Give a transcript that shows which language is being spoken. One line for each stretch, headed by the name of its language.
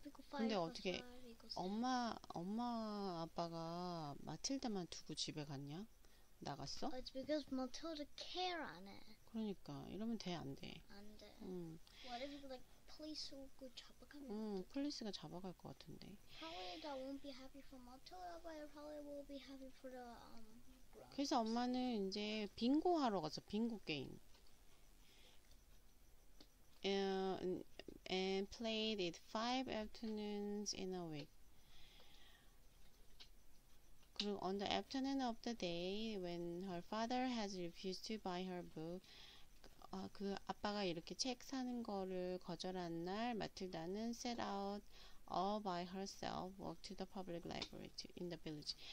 Korean: 근데 어떻게 엄마 아빠가 마틸다만 두고 집에 갔냐? 나갔어?
English: It's because Matilda care on it.
Korean: 그러니까 이러면 돼 안 돼? 안 돼.
English: What if like police
Korean: 오고 잡아가면? 폴리스가 잡아갈 것 같은데.
English: Probably that won't be happy for Matilda, but it probably will be happy for the girls.
Korean: 그래서 엄마는 이제 빙고 하러 가서 빙고 게임.
English: And played it 5 afternoons in a week.
Korean: 그리고
English: on the afternoon of the day when her father has refused to buy her book,
Korean: 그 아빠가 이렇게 책 사는 거를 거절한 날, 마틸다는
English: set out all by herself, walk to the public library in the village.